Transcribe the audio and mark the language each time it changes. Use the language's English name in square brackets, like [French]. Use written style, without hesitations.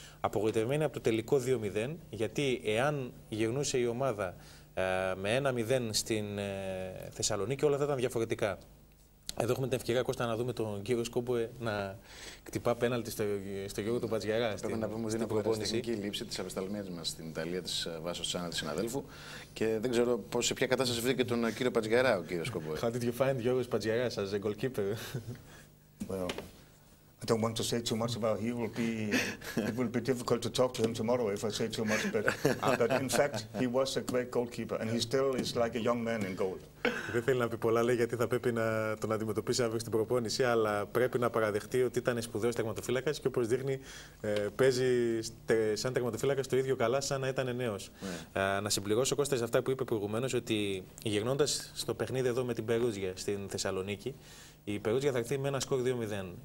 [Greek] Απογοητευμένη από το τελικό 2-0, γιατί εάν γυρνούσε η ομάδα με 1-0 στην Θεσσαλονίκη, όλα θα ήταν διαφορετικά. Εδώ έχουμε την ευκαιρία, Κώστα, να δούμε τον κύριο Σκόμποε να κτυπά πέναλτι στο Γιώργο του Μπατζιαρά. Πρέπει να πούμε ότι είναι προπονητική η λήψη της απεσταλμένης μας στην Ιταλία, της Βάσος Τσάνα, της συναδέλφου. Και δεν ξέρω πώς, σε ποια κατάσταση βρήκε τον κύριο Μπατζιαρά ο κύριος Σκόμποε. [English] How did you find Γιώργος Μπατζιαρά as a goalkeeper? Well, I don't want to say too much about him. It will be difficult to talk to him tomorrow if I say too much. But in fact, he was a great goalkeeper, and he still is like a young man in goal. [Greek] Δεν θέλει να πει πολλά, λέει, γιατί θα πρέπει να τον αντιμετωπίσει αύριο στην προπόνηση, αλλά πρέπει να παραδεχτεί ότι ήταν σπουδαίος τερματοφύλακας και όπως δείχνει παίζει σαν τερματοφύλακας το ίδιο καλά σαν να ήταν νέος. Να συμπληρώσω, Κώστα, σε αυτά που είπε προηγουμένως, ότι γυρνώντας στο παιχνίδι εδώ με την Περούζια στην Θεσσαλονίκη, η Περούζια θα έρθει με ένα σκορ 2-0.